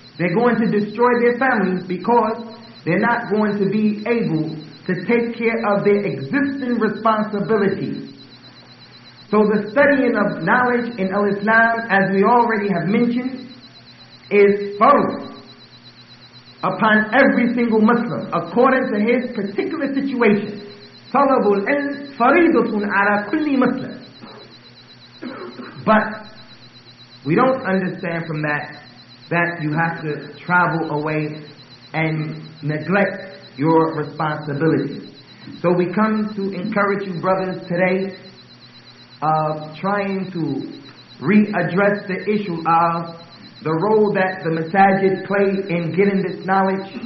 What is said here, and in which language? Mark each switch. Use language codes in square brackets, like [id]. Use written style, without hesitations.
[en] They're going to destroy their family because they're not going to be able to take care of their existing responsibilities. So the studying of knowledge in al-Islam, as we already have mentioned, is fard upon every single Muslim according to his particular situation. [ar] طلب العلم فريضة على كل مسلم. [en] But we don't understand from that you have to travel away and neglect your responsibility. So we come to encourage you, brothers, today of trying to readdress the issue of the role that the masajid play in getting this knowledge.